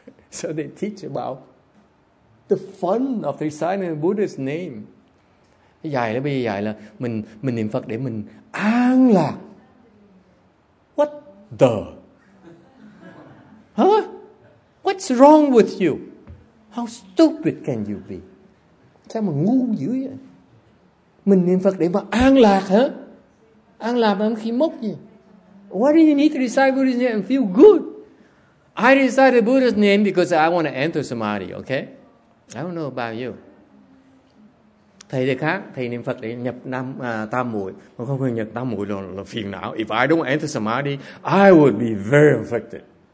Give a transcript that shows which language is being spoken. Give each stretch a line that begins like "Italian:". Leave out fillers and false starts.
English: So they teach about the fun of the reciting the Buddha's name.
Vietnamese: Dạy là bây giờ dạy là mình niệm Phật để mình an lạc.
English: What's wrong with you? How stupid can you be?
Vietnamese: Sao mà ngu dữ vậy? Mình niệm Phật để mà an lạc hả? An lạc làm khi mốc gì?
English: Why do you need to recite Buddha's name and feel good? I recite the Buddha's name because I want to enter samadhi, okay? I don't know about you.
Vietnamese: Thầy thì khác, thầy niệm Phật để nhập tam muội, mà không phải nhập tam muội là phiền não.
English: If I don't enter samadhi, I would be very affected.